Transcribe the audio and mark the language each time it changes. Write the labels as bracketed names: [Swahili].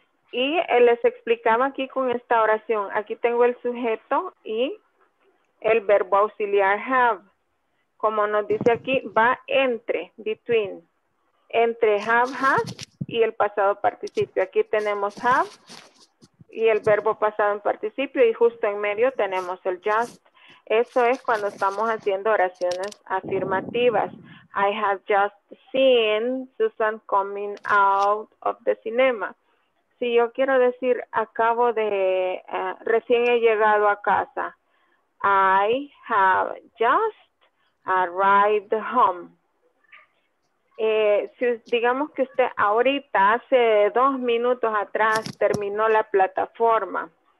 [Spanish] Y les explicaba aquí con esta oración. Aquí tengo el sujeto y el verbo auxiliar have. Como nos dice aquí, va entre, between. Entre have, has y el pasado participio. Aquí tenemos have y el verbo pasado en participio, y justo en medio tenemos el just. Eso es cuando estamos haciendo oraciones afirmativas. [English] I have just seen Susan coming out of the cinema. [Spanish] Si yo quiero decir, acabo de, recién he llegado a casa. [English] I have just arrived home. [Spanish] Si digamos que usted ahorita, hace dos minutos atrás, terminó la plataforma.